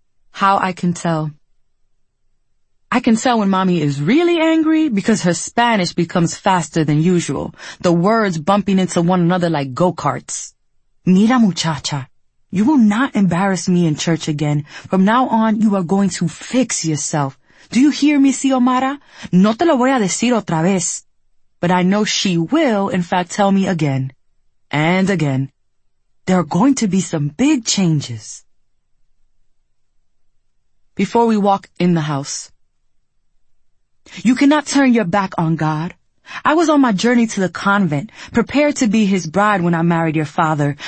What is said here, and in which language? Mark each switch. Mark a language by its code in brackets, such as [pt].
[en] How I can tell. I can tell when mommy is really angry because her Spanish becomes faster than usual, the words bumping into one another like go-karts. [es] Mira muchacha, [en] you will not embarrass me in church again. From now on, you are going to fix yourself. Do you hear me, Xiomara? [es] No te lo voy a decir otra vez. [en] But I know she will, in fact, tell me again and again. There are going to be some big changes. Before we walk in the house. You cannot turn your back on God. I was on my journey to the convent, prepared to be his bride when I married your father.